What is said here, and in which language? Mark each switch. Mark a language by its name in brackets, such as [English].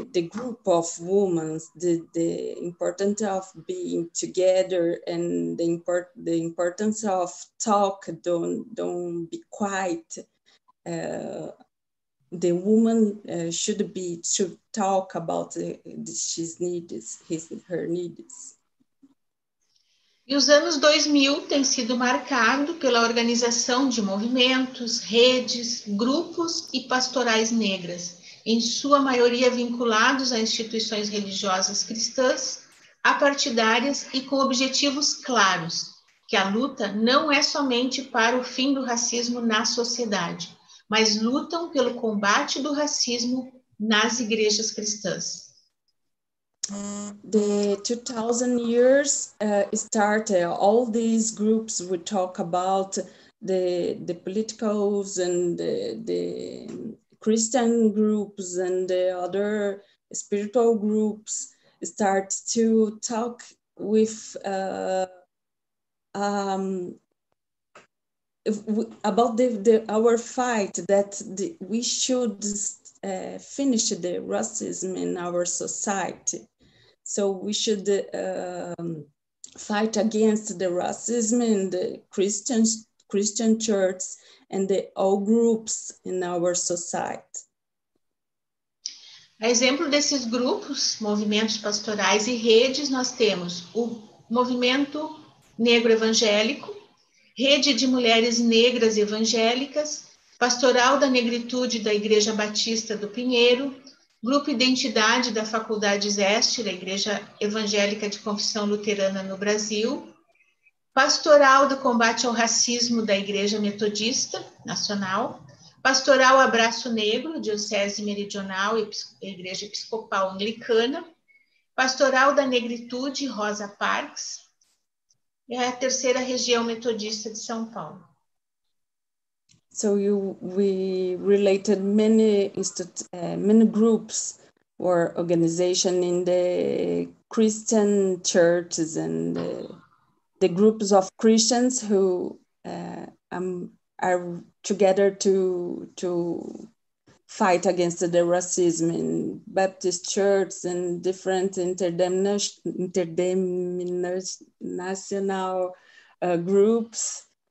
[English] group of women, the importance of being together and the importance of talk, don't be quiet. The woman should be to talk about her needs. [Portuguese] E os anos 2000 têm sido marcado pela organização de movimentos, redes, grupos e pastorais negras, em sua maioria vinculados a instituições religiosas cristãs, apartidárias e com objetivos claros, que a luta não é somente para o fim do racismo na sociedade, mas lutam pelo combate do racismo nas igrejas cristãs. [English] The 2000 years started all these groups we talk about, the politicals and the Christian groups and the other spiritual groups start to talk with about our fight that we should finish the racism in our society. So we should fight against the racism in the Christian church and the all groups in our society. [Portuguese] A exemplo desses grupos, movimentos pastorais e redes, nós temos o Movimento Negro Evangélico, Rede de Mulheres Negras Evangélicas, Pastoral da Negritude da Igreja Batista do Pinheiro, Grupo Identidade da Faculdade Zeste, da Igreja Evangélica de Confissão Luterana no Brasil, Pastoral do Combate ao Racismo da Igreja Metodista Nacional, Pastoral Abraço Negro, Diocese Meridional e Igreja Episcopal Anglicana, Pastoral da Negritude Rosa Parks, e a Terceira Região Metodista de São Paulo. [English] So we related many groups or organizations in the Christian churches and the groups of Christians who are together to fight against the racism in Baptist churches and different interdenominational groups.